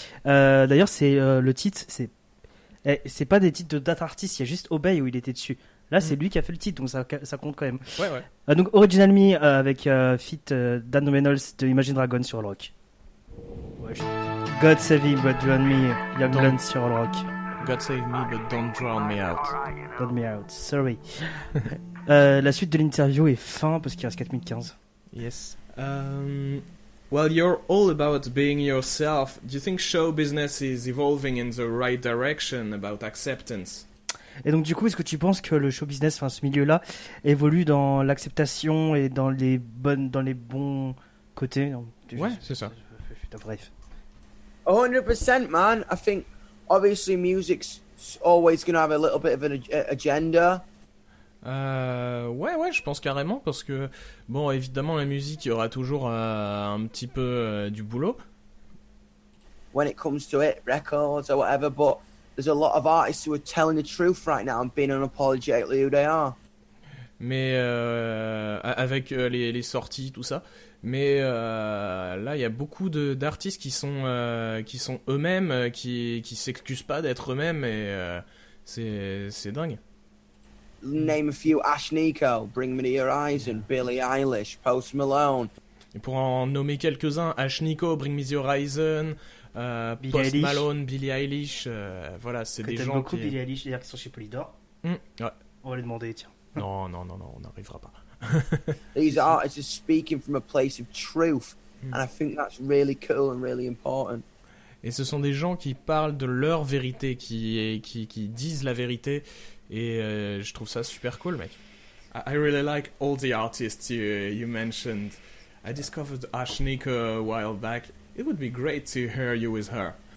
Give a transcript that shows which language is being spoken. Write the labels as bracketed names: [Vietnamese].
[French] D'ailleurs, c'est le titre, c'est pas des titres de date artiste, il y a juste Obey où il était dessus. Là, c'est lui qui a fait le titre, donc ça compte quand même. Ouais, ouais. Donc, Original Me avec feat Dan Reynolds de Imagine Dragon sur All Rock. Ouais, God save me, but drown me, Young Glenn sur All Rock. God save me, but don't drown me out. Drown me out, sorry. la suite de l'interview est fin parce qu'il reste 4015. [English] Yes. Well, you're all about being yourself. Do you think show business is evolving in the right direction about acceptance? [French] Et donc du coup, est-ce que tu penses que le show business, enfin ce milieu-là, évolue dans l'acceptation et dans les bonnes, dans les bons côtés? Ouais, c'est ça. Bref. [English] 100% man. I think obviously music's always gonna have a little bit of an agenda. [French] Ouais, je pense carrément, parce que, bon, évidemment, la musique, il y aura toujours un petit peu du boulot. [English] When it comes to it, records or whatever, but there's a lot of artists who are telling the truth right now and being unapologetically who they are. [French] Mais, avec les sorties, tout ça, mais là, il y a beaucoup d'artistes qui sont eux-mêmes, qui s'excusent pas d'être eux-mêmes, et c'est dingue. [English] name a few, Ash Nico, Bring Me To Your Eyes, and Billie Eilish, Post Malone. [French] Et pour en nommer quelques-uns, Ash Nico, Bring Me To Your Eyes, Post Eilish. Malone, Billie Eilish, voilà, c'est que des gens beaucoup, qui... Billie Eilish, d'ailleurs, qui sont chez Polydor. Ouais. On va les demander, tiens. Non, non, non, non, on n'arrivera pas. [English] These artists are speaking from a place of truth, and I think that's really cool and really important. [French] Et ce sont des gens qui parlent de leur vérité, qui disent la vérité, et je trouve ça super cool, mec. [English] I really like all the artists you mentioned. I discovered Ash Nico a while back. It would be great to hear you with her.